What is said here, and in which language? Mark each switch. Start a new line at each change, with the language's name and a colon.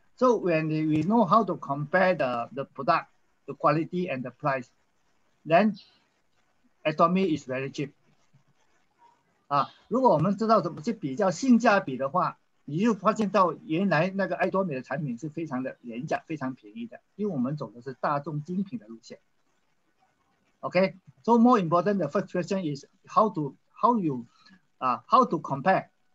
English: So when we know how to compare the product, the quality and the price, then Atomy is very cheap.
Chinese: 如果我们知道怎么去比较性价比的话，你就发现到原来那个 Atomy 的产品是非常的廉价，非常便宜的，因为我们走的是大众精品的路线。
English: Okay, so more important, the first question is how to compare.